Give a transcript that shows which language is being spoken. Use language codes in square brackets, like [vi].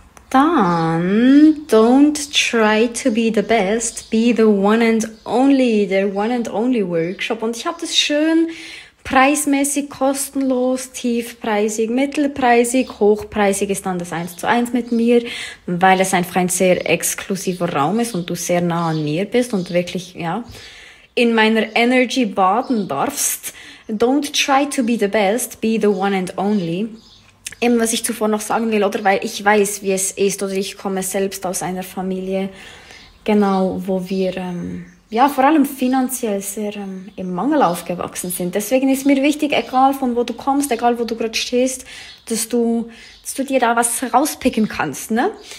[en] Dann, don't try to be the best, be the one and only, the one and only Workshop. [de] Und ich habe das schön preismäßig, kostenlos, tiefpreisig, mittelpreisig, hochpreisig ist dann das 1:1 mit mir, weil es einfach ein sehr exklusiver Raum ist und du sehr nah an mir bist und wirklich, ja, in meiner Energy baden darfst. [en] Don't try to be the best, be the one and only. [de] Eben, was ich zuvor noch sagen will, oder weil ich weiß, wie es ist, oder ich komme selbst aus einer Familie, genau, wo wir ja vor allem finanziell sehr im Mangel aufgewachsen sind. Deswegen ist mir wichtig, egal von wo du kommst, egal wo du gerade stehst, dass du dir da was rauspicken kannst, ne?